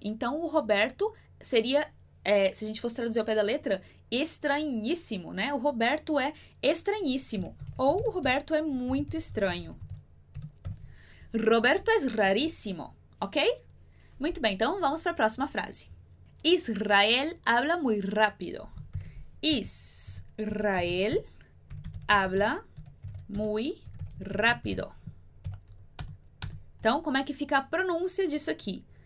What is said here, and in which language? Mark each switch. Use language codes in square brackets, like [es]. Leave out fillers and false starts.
[pt] Então, o Roberto seria, se a gente fosse traduzir ao pé da letra, estranhíssimo, né? O Roberto é estranhíssimo. Ou o Roberto é muito estranho. Roberto é raríssimo, ok? Muito bem, então vamos para a próxima frase. [es] Israel habla muy rápido. Israel habla muy rápido. [pt] Então, como é que fica a pronúncia disso aqui?